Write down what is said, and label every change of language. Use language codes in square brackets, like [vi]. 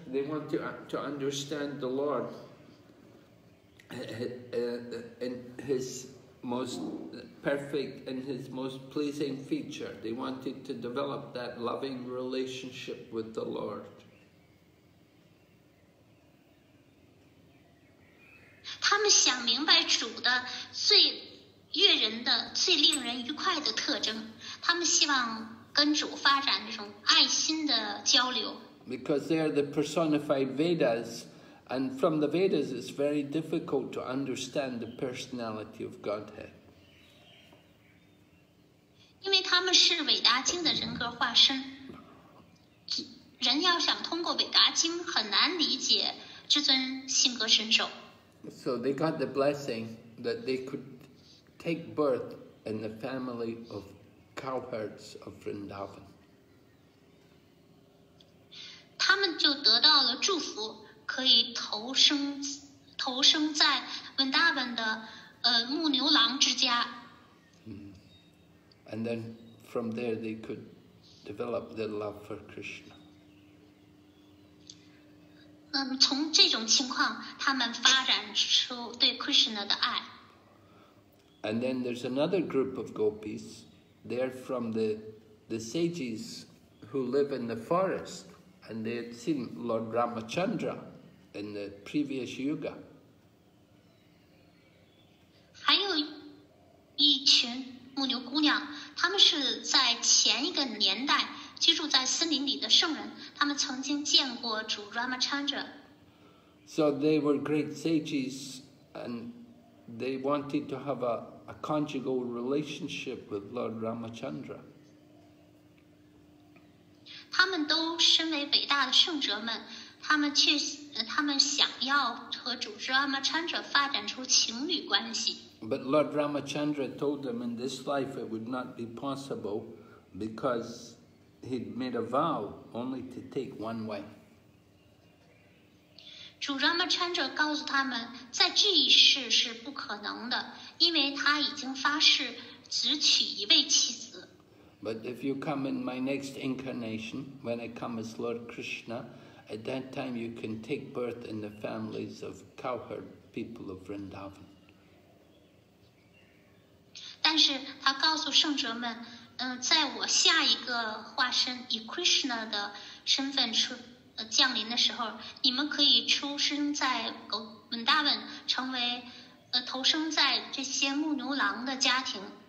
[en] They want to understand the Lord in his most perfect and his most pleasing feature. They wanted to develop that loving relationship with the Lord. [zh] 他们想明白主的最悦人的、最令人愉快的特征。他们希望跟主发展这种爱心的交流。 [en] Because they are the personified Vedas, and from the Vedas, it's very difficult to understand the personality of Godhead. [zh] 因为他们是韦达经的人格化身，人要想通过韦达经，很难理解至尊性格神兽。 [en] So they got the blessing that they could take birth in the family of cowherds of Vrindavan. [zh] 他们就得到了祝福，可以投生在文达文的牧牛郎之家。 [en] And then from there they could develop their love for Krishna. [zh] 从这种情况，他们发展出对 Krishna 的爱。 [en] And then there's another group of gopis. They're from the sages who live in the forest, and they had seen Lord Ramachandra in the previous yuga. [zh] 还有一群牧牛姑娘，他们是在前一个年代。居住在森林里的圣人，他们曾经见过主 Ramachandra。 [en] So they were great sages, and they wanted to have a conjugal relationship with Lord Ramachandra. [zh] 他们都身为伟大的圣哲们，他们想要和主 Ramachandra 发展出情侣关系。 [en] But Lord Ramachandra told them in this life it would not be possible, because. He'd made a vow only to take one wife. [zh] 主 Ramachandra 告诉他们，在这一世是不可能的，因为他已经发誓只娶一位妻子。 [en] But if you come in my next incarnation, when I come as Lord Krishna, at that time you can take birth in the families of cowherd people of Vrindavan. [zh] 但是他告诉圣哲们。在我下一个化身以 Krishna 的身份降临的时候，你们可以出生在文达文，成为投生在这些牧牛郎的家庭。